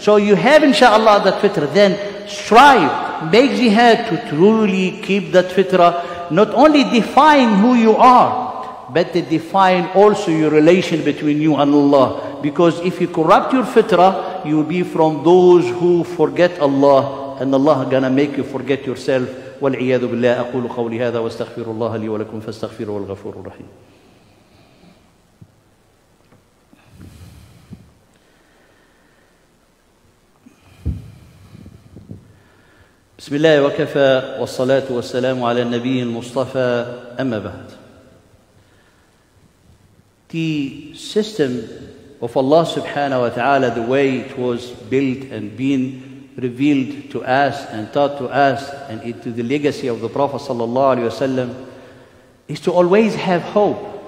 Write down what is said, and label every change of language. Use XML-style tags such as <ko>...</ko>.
<en>So you have, inshallah, that fitrah. Then strive, make jihad to truly keep that fitrah. Not only define who you are, but to define also your relation between you and Allah. Because if you corrupt your fitrah, you will be from those who forget Allah, and Allah is going to make you forget yourself.</en> <ar>والعياذ بالله أقول قولي هذا واستغفر الله لي ولكم فاستغفروا الغفور الرحيم. بسم الله وكفى والصلاة والسلام على النبي المصطفى أما بعد.</ar> <en>The system of Allah subhanahu wa ta'ala, the way it was built and been revealed to us and taught to us and into the legacy of the Prophet sallallahu alaihi wasallam, is to always have hope.</en>